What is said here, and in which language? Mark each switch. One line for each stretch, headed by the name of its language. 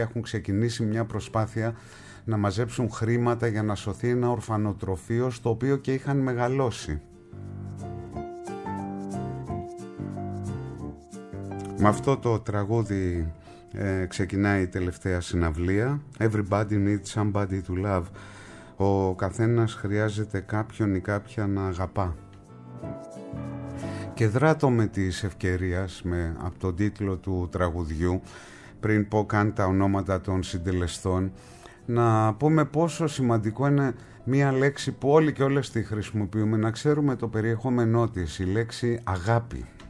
Greek: Έχουν ξεκινήσει μια προσπάθεια να μαζέψουν χρήματα για να σωθεί ένα ορφανοτροφείο στο οποίο και είχαν μεγαλώσει. Με αυτό το τραγούδι ξεκινάει η τελευταία συναυλία.
English: Everybody needs somebody to love.
Greek: Ο καθένας χρειάζεται κάποιον ή κάποια να αγαπά. Και δράτω με τις ευκαιρίες, από τον τίτλο του τραγουδιού, πριν πω καν τα ονόματα των συντελεστών, να πούμε πόσο σημαντικό είναι μία λέξη που όλοι και όλες τη χρησιμοποιούμε, να ξέρουμε το περιεχόμενό της, η λέξη αγάπη.